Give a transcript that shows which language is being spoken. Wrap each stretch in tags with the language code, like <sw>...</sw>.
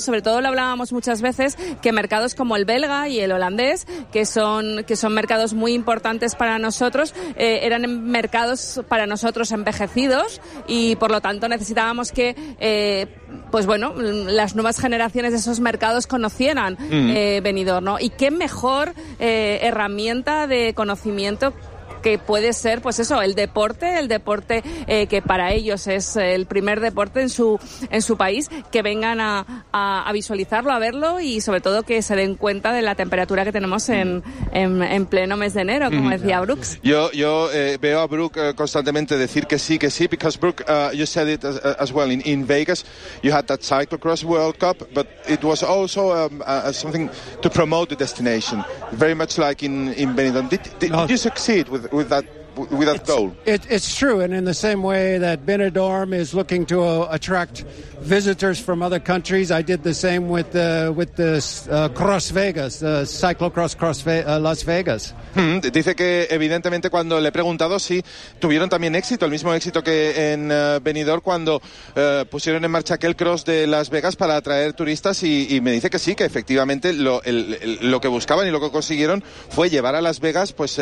<es>Sobre todo lo hablábamos muchas veces, que mercados como el belga y el holandés, que son mercados muy importantes para nosotros, eran mercados para nosotros envejecidos, y por lo tanto necesitábamos que, pues bueno, las nuevas generaciones de esos mercados conocieran Benidorm, ¿no? Y qué mejor herramienta de conocimiento que puede ser, pues eso, el deporte que para ellos es el primer deporte en su país, que vengan a visualizarlo, a verlo, y sobre todo que se den cuenta de la temperatura que tenemos en pleno mes de enero, como decía Brooks. Yo veo a Brooks constantemente decir que sí,</es> <en>because Brooks, you said it as well, in Vegas, you had that Cyclocross World Cup, but it was also something to promote the destination, very much like in Benidorm. Did you succeed with that goal? It's true, and in the same way that Benidorm is looking to attract visitors from other countries, I did the same with the Cross Vegas, the Cyclocross Las Vegas.</en> <es>Dice que evidentemente cuando le he preguntado si tuvieron también éxito, el mismo éxito que en Benidorm cuando pusieron en marcha aquel cross de Las Vegas para atraer turistas, y me dice que sí, que efectivamente lo que buscaban y lo que consiguieron fue llevar a Las Vegas</es>